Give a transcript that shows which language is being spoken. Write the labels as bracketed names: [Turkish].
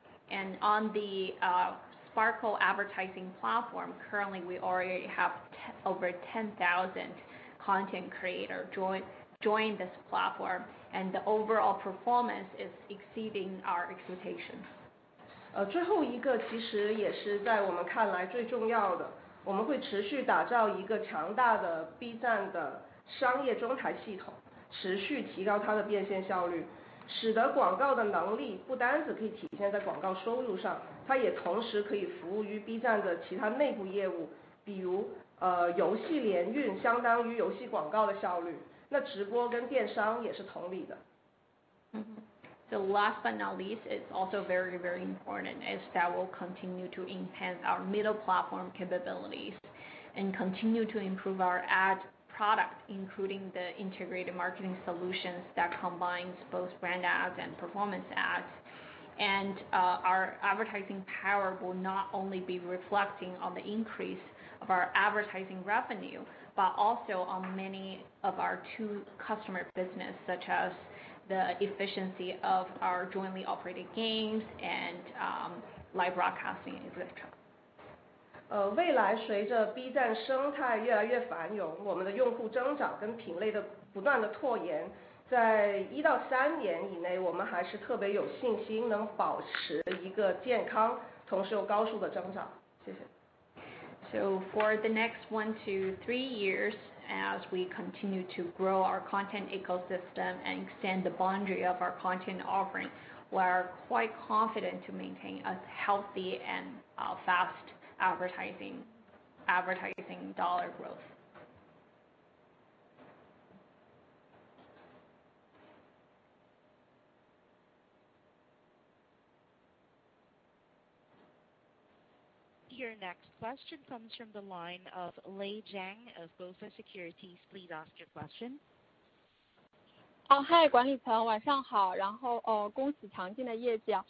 [English] And on the Sparkle advertising platform, currently we already have over 10,000 content creators join this platform. And the overall performance is exceeding our expectations. [Chinese] 最后一个其实也是在我们看来最重要的，我们会持续打造一个强大的 B 站的商业中台系统，持续提高它的变现效率，使得广告的能力不单只可以体现在广告收入上，它也同时可以服务于 B 站的其他内部业务，比如游戏联运相当于游戏广告的效率，那直播跟电商也是同理的。 [English] So last but not least, it's also very, very important is that we'll continue to enhance our middle platform capabilities and continue to improve our ad product, including the integrated marketing solutions that combines both brand ads and performance ads. And our advertising power will not only be reflecting on the increase of our advertising revenue, but also on many of our two customer business, such as the efficiency of our jointly operated games and live broadcasting, etc. [Chinese] 未来随着 B 站生态越来越繁荣，我们的用户增长跟品类的不断的拓延，在1到3年以内，我们还是特别有信心能保持一个健康，同时又高速的增长。谢谢。 [English] So for the next 1 to 3 years. As we continue to grow our content ecosystem and extend the boundary of our content offering, we are quite confident to maintain a healthy and fast advertising dollar growth. Your next question comes from the line of Lei Zhang of BofA Securities. Please ask your question. [Chinese] 嗨，管理层晚上好，然后恭喜强劲的业绩。